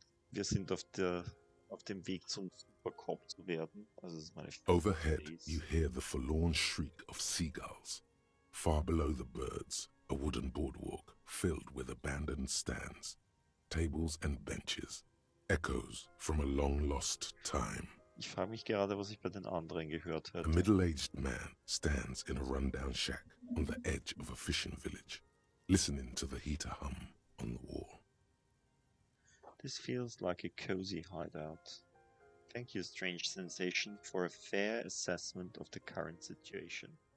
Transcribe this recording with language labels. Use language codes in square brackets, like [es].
[de] Wir sind auf dem Weg zum Superkorb zu werden. Also das ist meine Fugitive. [en] Overhead, you hear the forlorn shriek of seagulls. Far below the birds, a wooden boardwalk filled with abandoned stands, tables and benches, echoes from a long lost time. [de] Ich frage mich gerade, was ich bei den anderen gehört hätte. [en] A middle-aged man stands in a rundown shack on the edge of a fishing village, listening to the heater hum on the wall. This feels like a cozy hideout. Thank you, strange sensation, for a fair assessment of the current situation.